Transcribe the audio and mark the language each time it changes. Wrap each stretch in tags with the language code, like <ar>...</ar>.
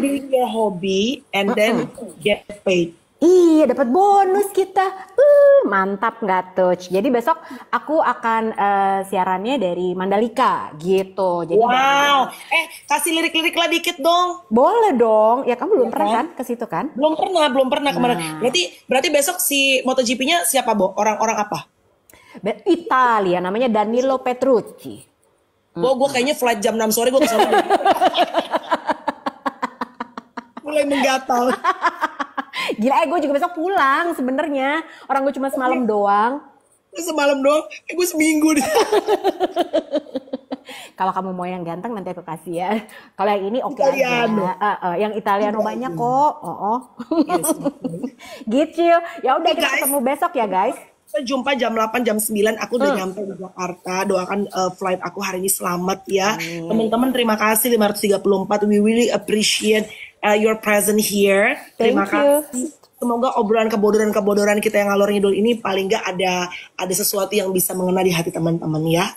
<en>So, you're doing your hobby and then get paid.</en> <id>Iya, dapat bonus kita. Mantap gak tuh? Jadi besok aku akan siarannya dari Mandalika gitu. Jadi wow, kasih lirik-lirik lah dikit dong. Boleh dong, ya kamu belum pernah kan ke situ kan? Belum pernah kemana. Berarti besok si MotoGP-nya siapa, Bo? Orang-orang apa? Italia, namanya Danilo Petrucci. Gue kayaknya flight jam 6 sore, gue kesana. Mulai menggatal. Gila, gue juga besok pulang sebenarnya. Orang gue cuma semalam doang. Gue semalam doang, eh gue seminggu deh. Kalau kamu mau yang ganteng nanti aku kasih ya. Kalau yang ini oke okay aja. Yang Italiano banyak kok. Gitu. Ya udah kita ketemu besok ya guys. Kita jumpa jam 8, jam 9, aku udah nyampe di Jakarta, doakan flight aku hari ini selamat ya. Teman-teman terima kasih</id> <en>534, we really appreciate your present here. Thank you.</en> <id>Semoga obrolan kebodoran-kebodoran kita yang ngalor ngidul ini paling gak ada sesuatu yang bisa mengena di hati teman-teman ya.</id>